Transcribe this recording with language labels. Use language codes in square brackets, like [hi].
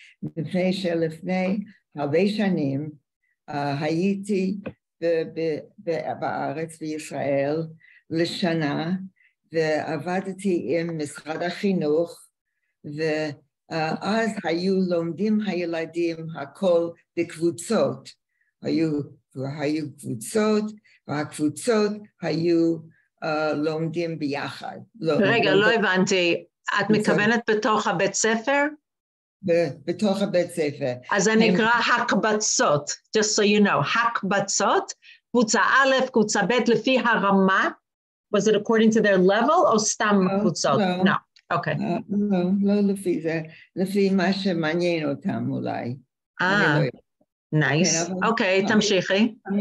[he] Lifnei shelifnei harbe shanim hayiti ba'aretz v'Yisrael l'shana ve'avadti im mishrad ha'chinuch ve אז היו לומדים הילדים הכל בקבוצות. היו קבוצות, והקבוצות היו לומדים ביחד. רגע, לא הבנתי. את מכוונת בתוך הבית ספר? בתוך הבית ספר. אז זה נקרא הקבצות, [en] just so you know. [he] הקבצות, קבוצה א', קבוצה ב', לפי הרמה. [en] Was it according to their level [he] או סתם קבוצות? [en] No. Okay. [he] לא לפי זה, לפי מה שמעניין אותם אולי. [en] Nice. [he] Okay, תמשיכי.